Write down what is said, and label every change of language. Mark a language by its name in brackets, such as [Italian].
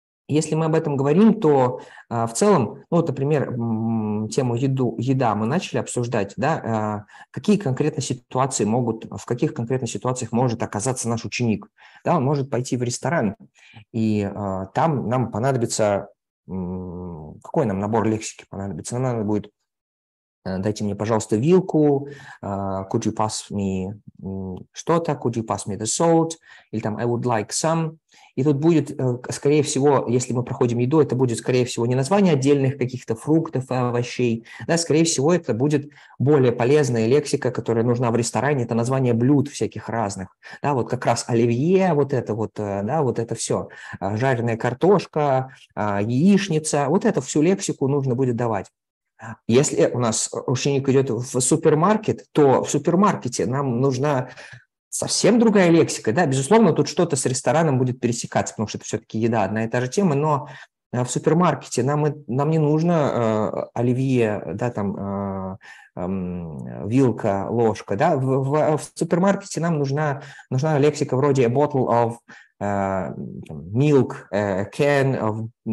[Russian] Если мы об этом говорим, то в целом, ну, вот, например, тему еда мы начали обсуждать, да, какие конкретно ситуации могут, в каких конкретно ситуациях может оказаться наш ученик. Да, он может пойти в ресторан, и там нам понадобится, какой нам набор лексики понадобится? Нам надо будет дайте мне, пожалуйста, вилку, [English] could you pass me [Russian] что-то, [English] could you pass me the salt, [Russian] или там [English] I would like some. [Russian] И тут будет, скорее всего, если мы проходим еду, это будет, скорее всего, не название отдельных каких-то фруктов и овощей, да, скорее всего, это будет более полезная лексика, которая нужна в ресторане, это название блюд всяких разных, да, вот как раз оливье, вот это вот, да, вот это все, жареная картошка, яичница, вот эту всю лексику нужно будет давать. Если у нас ученик идет в супермаркет, то в супермаркете нам нужна совсем другая лексика. Да? Безусловно, тут что-то с рестораном будет пересекаться, потому что это все-таки еда, одна и та же тема. Но в супермаркете нам не нужно оливье, да, там, вилка, ложка. Да? В супермаркете нам нужна лексика вроде [English] a bottle of milk, a can of...